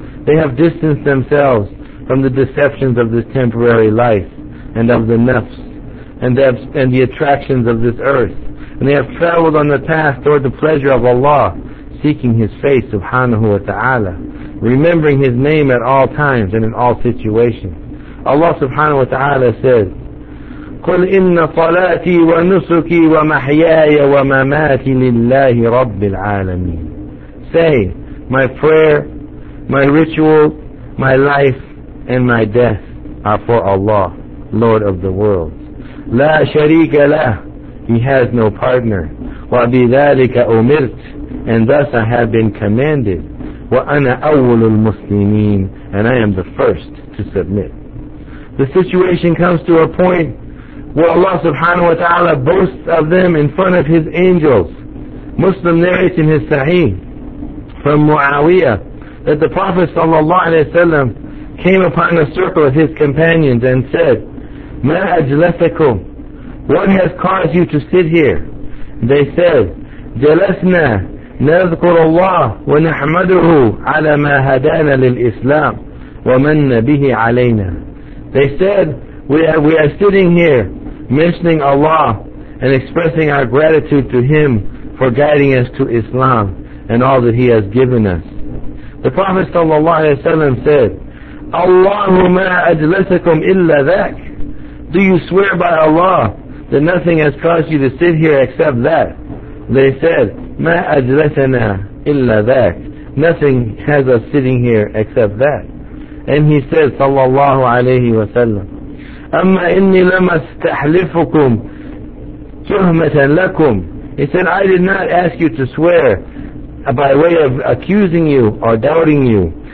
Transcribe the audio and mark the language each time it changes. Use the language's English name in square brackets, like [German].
[English] They have distanced themselves from the deceptions of this temporary life and of the nafs and the attractions of this earth, and they have traveled on the path toward the pleasure of Allah, seeking His face, subhanahu wa ta'ala, remembering His name at all times and in all situations. [Arabic] Allah subhanahu wa ta'ala says, قُلْ إِنَّ صَلَاتِي وَنُسُكِي وَمَحْيَايَ وَمَمَاتِي لِلَّهِ رَبِّ الْعَالَمِينَ. [English] Say, my prayer, my ritual, my life, and my death are for Allah, Lord of the world. [Arabic] لَا شَرِيكَ لَهُ. [English] He has no partner. [Arabic] وَبِذَلِكَ أُمِرْتُ. [English] And thus I have been commanded. [Arabic] وَأَنَا أَوَّلُ الْمُسْلِمِينَ. [English] And I am the first to submit. The situation comes to a point where Allah subhanahu wa ta'ala boasts of them in front of His angels. Muslim narrates in his Sahih from Muawiyah that the Prophet sallallahu alayhi wa sallam came upon a circle of his companions and said, [Arabic] مَا أَجْلَسَكُمْ. [English] What has caused you to sit here? They said, [Arabic] جَلَسْنَا نَذْكُرُ اللَّهُ وَنَحْمَدُهُ عَلَى مَا هَدَانَا لِلْإِسْلَامِ وَمَنَّ بِهِ عَلَيْنَا. [English] They said, we are sitting here mentioning Allah and expressing our gratitude to Him for guiding us to Islam and all that He has given us. The Prophet sallallahu alaihi wasallam said, [Arabic] اللَّهُ مَا أَجْلَسَكُمْ إِلَّا ذَكْ. [English] Do you swear by Allah that nothing has caused you to sit here except that? They said, [Arabic] مَا أَجْلَسَنَا إِلَّا ذَكْ. [English] Nothing has us sitting here except that. And he said, sallallahu alayhi wa sallam, [Arabic] أَمَّا إِنِّي لَمَا اسْتَحْلِفُكُمْ تُهْمَةً لَكُمْ. [English] He said, I did not ask you to swear by way of accusing you or doubting you.